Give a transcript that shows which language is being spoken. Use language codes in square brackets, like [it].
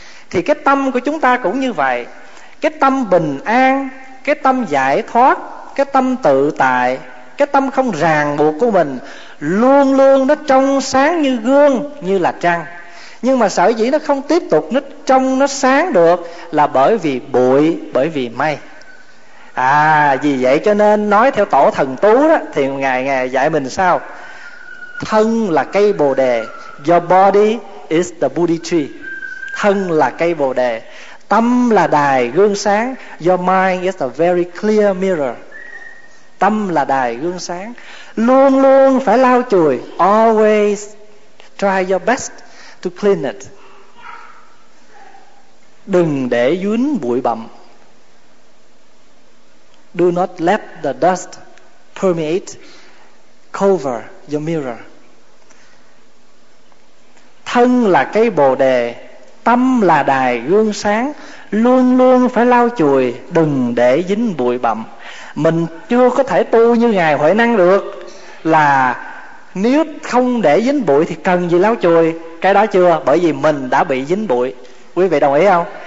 [vi] Thì cái tâm của chúng ta cũng như vậy. Cái tâm bình an, cái tâm giải thoát, cái tâm tự tại, cái tâm không ràng buộc của mình luôn luôn nó trong sáng như gương, như là trăng. Nhưng mà sở dĩ nó không tiếp tục nó trong nó sáng được là bởi vì bụi, bởi vì mây. À, vì vậy cho nên nói theo tổ thần tú đó, thì ngài ngài dạy mình sao? Thân là cây bồ đề. [en] Your body is the Buddha tree. [vi] Thân là cây bồ đề. Tâm là đài gương sáng. [en] Your mind is a very clear mirror. [vi] Tâm là đài gương sáng. Luôn luôn phải lau chùi. [en] Always try your best to clean it. [vi] Đừng để dính bụi bặm. [en] Do not let the dust permeate, cover your mirror. [vi] Thân là cây bồ đề, tâm là đài gương sáng, luôn luôn phải lau chùi, đừng để dính bụi bặm. Mình chưa có thể tu như ngài Huệ Năng được, là nếu không để dính bụi thì cần gì lau chùi? Cái đó chưa, bởi vì mình đã bị dính bụi. Quý vị đồng ý không?